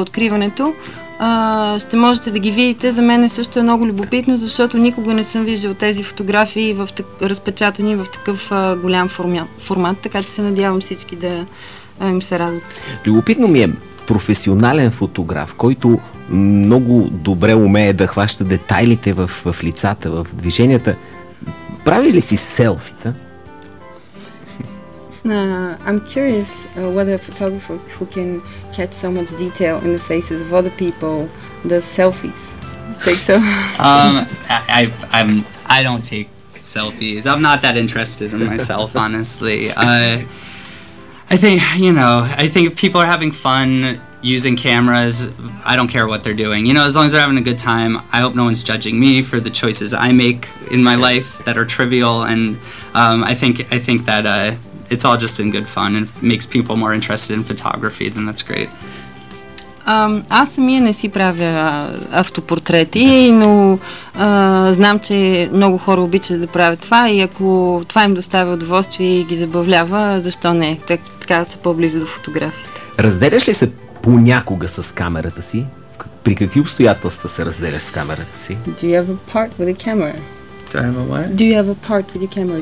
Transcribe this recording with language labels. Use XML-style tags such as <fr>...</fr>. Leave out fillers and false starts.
<bg>Откриването, ще можете да ги видите. За мен е също е много любопитно, защото никога не съм виждал тези фотографии разпечатани в такъв голям формат, така че се надявам всички да им се радват. Любопитно ми е, професионален фотограф, който много добре умее да хваща детайлите в лицата, в движенията, прави ли си селфита?</bg> <en>I'm curious whether a photographer who can catch so much detail in the faces of other people does selfies. Take so. I don't take selfies. I'm not that interested in myself, honestly. I think if people are having fun using cameras, I don't care what they're doing. You know, as long as they're having a good time, I hope no one's judging me for the choices I make in my life that are trivial. And I think that it's all just in good fun and makes people more interested in photography, then that's great.</en> <bg>Аз самия не си правя автопортрети, но знам, че много хора обичат да правят това и ако това им доставя удоволствие и ги забавлява, защо не? Така са по-близо до фотографията. Разделяш ли се понякога с камерата си? При какви обстоятелства се разделяш с камерата си?</bg> <en>Do you have a part with a camera? Do I have a what? Do you have a part with your camera?</en>